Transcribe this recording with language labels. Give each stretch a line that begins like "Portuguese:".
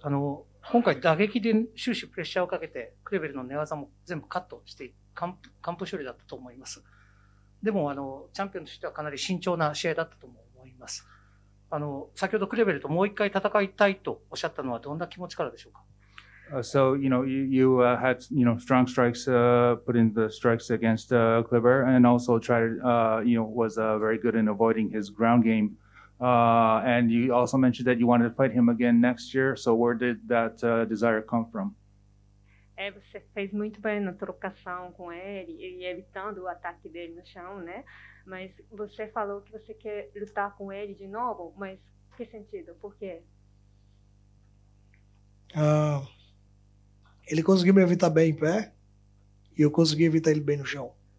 Japanese: 今回打撃で終始プレッシャーをかけて、クレベルの寝技も全部カットして完封勝利だったと思います。でもチャンピオンとしてはかなり慎重な試合だったとも思います。先ほどクレベルともう一回戦いたいとおっしゃったのはどんな気持ちからでしょうか。
English: So, you had, strong strikes, put in the strikes against Kleber, and also tried, was very good in avoiding his ground gameand you also mentioned that you wanted to fight him again next year. So where did that desire come from?
Portuguese: Você fez muito bem na trocação com ele e evitando o ataque dele no chão, né? Mas você falou que você quer lutar com ele de novo. Mas que sentido? Por quê? Ele conseguiu me evitar bem em pé e eu consegui evitar ele bem no chão.